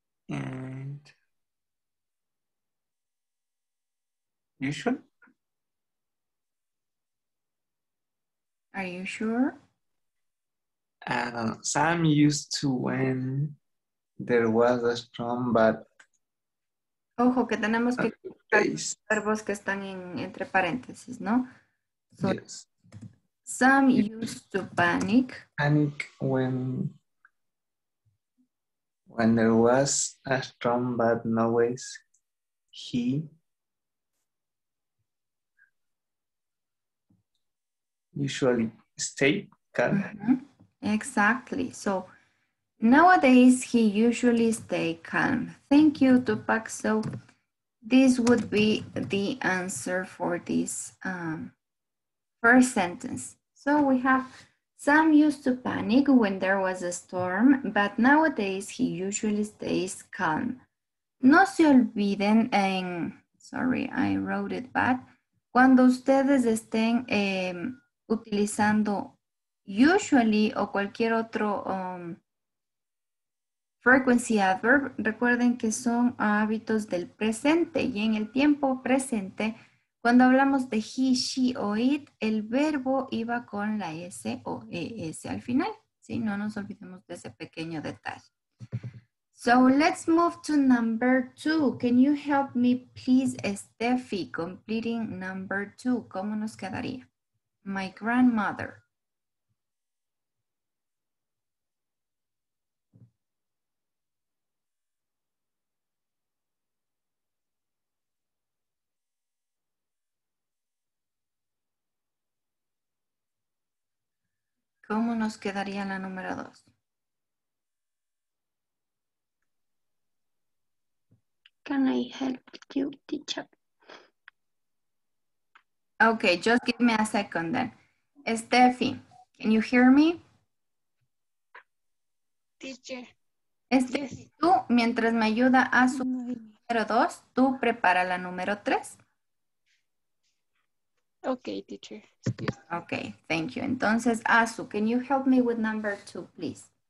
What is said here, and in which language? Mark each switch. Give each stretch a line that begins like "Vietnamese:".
English: And usual? Are you sure? Sam used to when there was a storm, but
Spanish: ojo que tenemos que verbos que están en entre paréntesis, ¿no?
English: So, yes. Sam used to panic. Panic when there was a storm, but nowadays he. Usually stay calm. Mm-hmm. Exactly. So nowadays he usually stay calm. Thank you, Tupac. So this would be the answer for this first sentence. So we have. Sam used to panic when there was a storm, but nowadays he usually stays calm. No se olviden en, sorry, I wrote it bad.
Spanish: Cuando ustedes estén utilizando usually o cualquier otro frequency adverb, recuerden que son hábitos del presente y en el tiempo presente. Cuando hablamos de he, she o it, el verbo iba con la S o ES al final. ¿Sí? No nos olvidemos de ese pequeño detalle.
English: So let's move to number two. Can you help me, please, Steffi, completing number two?
Spanish: ¿Cómo nos quedaría? My grandmother. ¿Cómo nos quedaría la número dos?
English: Can I help you, teacher? Okay, just give me a second then. Steffi, can you hear me? Teacher. Steffi, yes.
Spanish: Tú, mientras me ayuda a su número dos, tú prepara la número tres.
English: Okay, teacher. Excuse. Okay, thank you. Entonces, Asu, can you help me with number two, please?